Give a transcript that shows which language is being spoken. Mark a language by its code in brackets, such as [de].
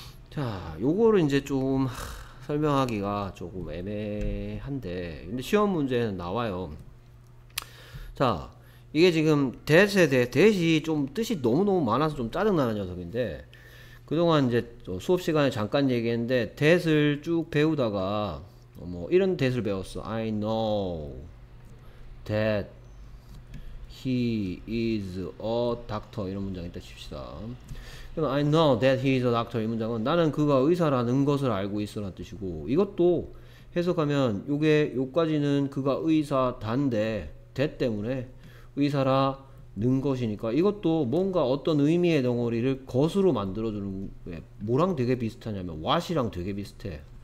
[ko] 자, 요거를 이제 좀 설명하기가 조금 애매한데 근데 시험 문제에는 나와요. 자, 이게 지금 that에 대해 that이 좀 뜻이 너무너무 많아서 좀 짜증나는 녀석인데 그동안 이제 수업 시간에 잠깐 얘기했는데 that을 쭉 배우다가 뭐 이런 that을 배웠어. [en] I know that he is a doctor [ko] 이런 문장 있다 칩시다. [en] I know that he is a doctor [ko] 이 문장은 나는 그가 의사라는 것을 알고 있어라는 뜻이고 이것도 해석하면 요게 요까지는 그가 의사단데 that 때문에 의사라 는 것이니까 이것도 뭔가 어떤 의미의 덩어리를 것으로 만들어주는 게 뭐랑 되게 비슷하냐면 what이랑 되게 비슷해.